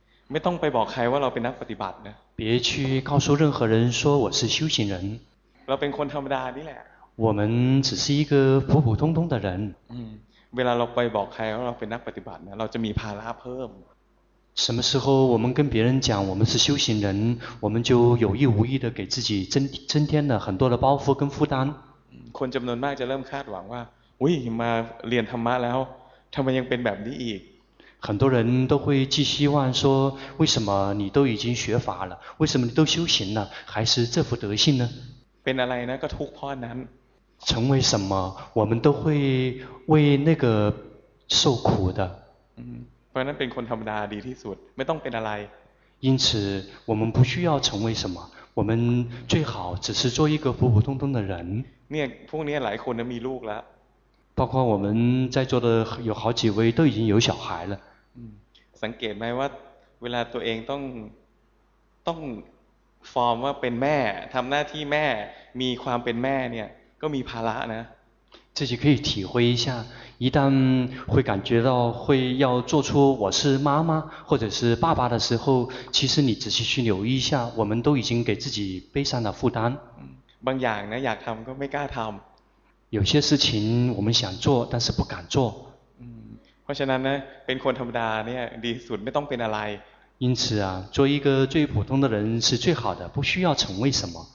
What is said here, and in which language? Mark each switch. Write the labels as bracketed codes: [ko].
[th] ไม่ต้องไปบอกใครว่าเราเป็นนักปฏิบัตินะ [zh] 别去告诉任何人说我是修行人 [th] เราเป็นคนธรรมดานี่แหละ [zh] 我们只是一个普普通通的人 [th] เวลาเราไปบอกใครว่าเราเป็นนักปฏิบัติเนี่ยเราจะมีภาระเพิ่ม [zh] 什么时候我们跟别人讲我们是修行人我们就有意无意的给自己增添了很多的包袱跟负担 [th] คนจำนวนมากจะเริ่มคาดหวังว่าอุ้ยมาเรียนธรรมะแล้วทำไมยังเป็นแบบนี้อีก [zh] 很多人都会寄希望说为什么你都已经学法了为什么你都修行了还是这副德性呢 [th] เป็นอะไรนะก็ทุกข์นั้น [zh] 成为什么我们都会为那个受苦的 [th] เพราะนั้นเป็นคนธรรมดาดีที่สุดไม่ต้องเป็นอะไร [zh] 因此我们不需要成为什么我们最好只是做一个普普通通的人 [th] เนี่ยพวกนี้หลายคนมีลูกแล้ว [zh] 包括我们在座的有好几位都已经有小孩了 [th] สังเกตไหมว่าเวลาตัวเองต้องฟอร์มว่าเป็นแม่ทำหน้าที่แม่มีความเป็นแม่เนี่ยก็มีภาระนะ [zh] 自己可以体会一下一旦会感觉到会要做出我是妈妈或者是爸爸的时候其实你仔细去留意一下我们都已经给自己背上了负担 [th] บางอย่างนะอยากทำก็ไม่กล้าทำ [zh] 有些事情我们想做但是不敢做 [th] เพราะฉะนั้นนะเป็นคนธรรมดาเนี่ยดีสุดไม่ต้องเป็นอะไร [zh] 因此啊做一个最普通的人是最好的不需要成为什么